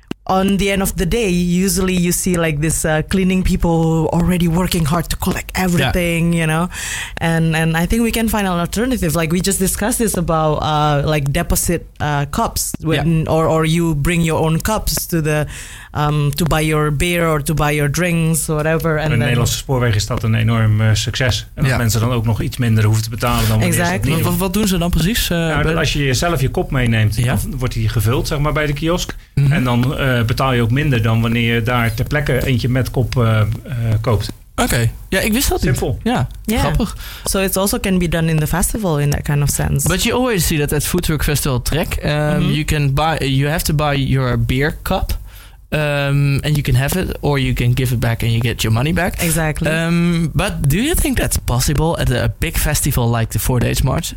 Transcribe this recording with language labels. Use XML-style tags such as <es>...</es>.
<en>on the end of the day, usually you see like this cleaning people already working hard to collect everything, yeah. You know, and I think we can find an alternative. Like we just discussed this about like deposit cups when, yeah. or you bring your own cups to the to buy your beer or to buy your drinks or whatever.</en> <nl>En in Nederlandse spoorwegen is dat een enorm succes. En dat, yeah. Mensen dan ook nog iets minder hoeven te betalen dan wanneer, exactly. Ze wat doen ze dan precies? Als je jezelf je kop meeneemt, yeah. Dan wordt die gevuld, zeg maar, bij de kiosk. Mm-hmm. En dan betaal je ook minder dan wanneer je daar ter plekke eentje met kop koopt. Oké. Okay. Ja, ik wist dat. Simpel. Ja, yeah. Grappig.</nl> <en>So it also can be done in the festival in that kind of sense. But you always see that at Food Truck Festival Trek, mm-hmm. You have to buy your beer cup. And you can have it, or you can give it back and you get your money back. Exactly. But do you think that's possible at a big festival like the 4 Days March?</en>